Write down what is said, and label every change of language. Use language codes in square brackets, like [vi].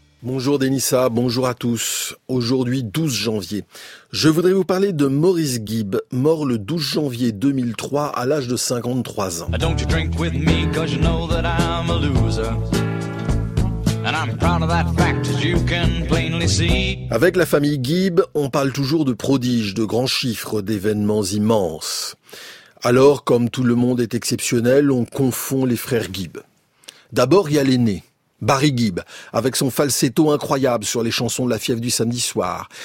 [fr] Bonjour Denisa, bonjour à tous. Aujourd'hui, 12 janvier. Je voudrais vous parler de Maurice Gibb, mort le 12 janvier 2003 à l'âge de 53 ans. [en] Don't you drink with me, 'cause you know that I'm a loser. And I'm proud of that fact, as you can plainly see. [fr] Avec la famille Gibb, on parle toujours de prodiges, de grands chiffres, d'événements immenses. Alors, comme tout le monde est exceptionnel, on confond les frères Gibb. D'abord, il y a l'aîné, Barry Gibb, avec son falsetto incroyable sur les chansons de La Fièvre du Samedi Soir.